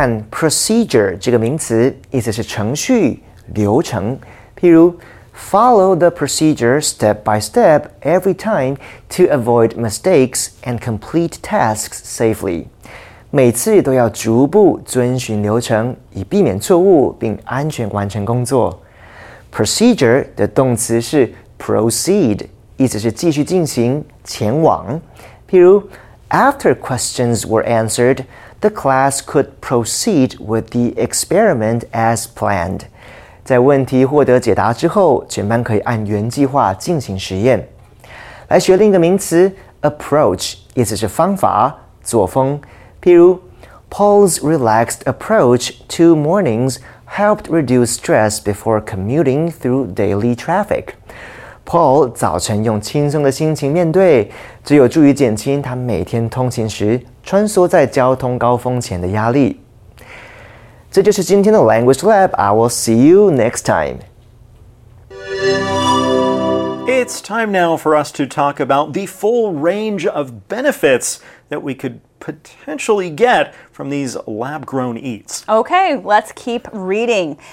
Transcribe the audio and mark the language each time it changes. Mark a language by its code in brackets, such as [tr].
[zh] Procedure 这个名词意思是程序、流程。 [en] 譬如 follow the procedure step by step every time to avoid mistakes and complete tasks safely. [zh] 每次都要逐步遵循流程，以避免错误并安全完成工作。 Procedure 的动词是 proceed， 意思是继续进行、前往。 [en] 譬如 after questions were answered. The class could proceed with the experiment as planned. [zh] 在问题获得解答之后，全班可以按原计划进行实验。来学另一个名词 ，approach， 意思是方法、作风。 [en] 譬如 ，Paul's relaxed approach to mornings helped reduce stress before commuting through daily traffic. [zh] Paul 早晨用轻松的心情面对，这有助于减轻他每天通勤时。穿梭在交通高峰前的压力。这就是今天的 [en] Language Lab. I will see you next time. It's time now for us to talk about the full range of benefits that we could potentially get from these lab-grown eats. Okay, let's keep reading.